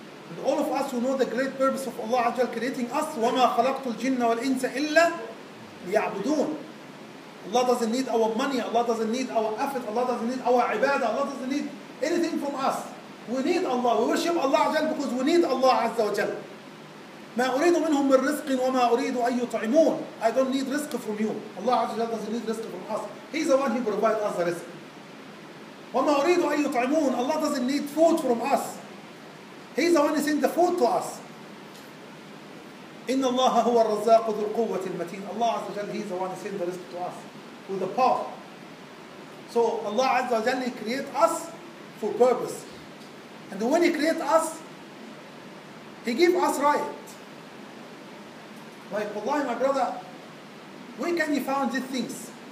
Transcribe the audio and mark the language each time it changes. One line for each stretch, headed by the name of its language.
English: And all of us, you know the great purpose of Allah Azza wa Jal creating us.
Arabic: وَمَا خَلَقْتُ الْجِنَّ وَالْإِنسَ إِلَّا لِيَعْبُدُونَ.
English: Allah doesn't need our money. Allah doesn't need our effort. Allah doesn't need our ibadah. Allah doesn't need anything from us. We need Allah. We worship Allah Azza wa Jal because we need Allah Azza wa Jal.
Arabic: ما أريد منهم من رزق وما أريد أن يطعمون.
English: I don't need risk from you. Allah Azza wa Jal doesn't need risk from us. He's the one who provides us the risk.
Arabic: وما أريد أن يطعمون.
English: Allah doesn't need food from us. He's the one who sends the food to us.
Arabic: إن الله هو الرزاق ذو القوة المتين.
English: Allah Azza wa Jal, He's the one who sends the risk to us with the power. So Allah Azza wa Jal create us for purpose. And when He create us, He give us right. Like, wallahi, my brother, where can you find these things?